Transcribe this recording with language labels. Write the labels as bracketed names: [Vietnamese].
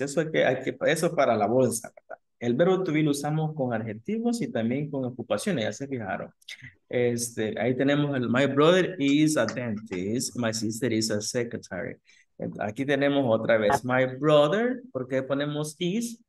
[Spanish] Eso es que hay que eso para la bolsa, ¿verdad? El verbo to be lo usamos con adjetivos y también con ocupaciones, ya se fijaron. Ahí tenemos el [English] my brother is a dentist, my sister is a secretary. [Spanish] Aquí tenemos otra vez [English] my brother, [Spanish] ¿por qué ponemos is?